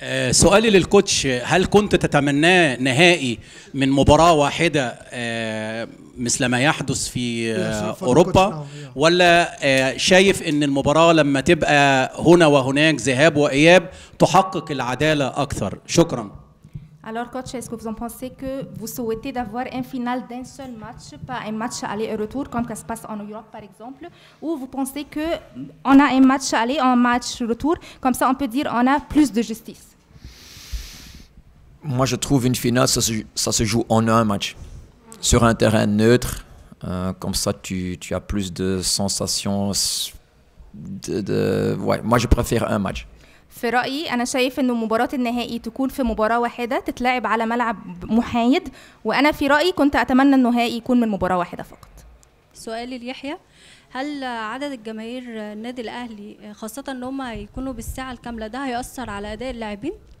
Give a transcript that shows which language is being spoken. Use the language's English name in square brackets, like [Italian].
[Arabic] سؤالي للكوتش، هل كنت تتمناه نهائي من مباراة واحدة مثل ما يحدث في أوروبا، ولا شايف أن المباراة لما تبقى هنا وهناك ذهاب وإياب تحقق العدالة أكثر؟ شكرا. [French] Alors coach, est-ce que vous en pensez que vous souhaitez d'avoir un final d'un seul match, pas un match aller et retour comme ça se passe en Europe par exemple, ou vous pensez que on a un match aller, un match retour, comme ça on peut dire on a plus de justice? Moi je trouve une finale ça se joue en un match sur un terrain neutre, comme ça tu as plus de sensations de ouais, moi je préfère un match. [Arabic] في رأيي أنا شايف إنه مباراة النهائي تكون في مباراة واحدة تتلعب على ملعب محايد، وأنا في رأيي كنت أتمنى النهائي يكون من مباراة واحدة فقط. سؤالي ليحيى، هل عدد الجماهير النادي الأهلي خاصة إن هم يكونوا بالساعة الكاملة ده هيأثر على أداء اللاعبين؟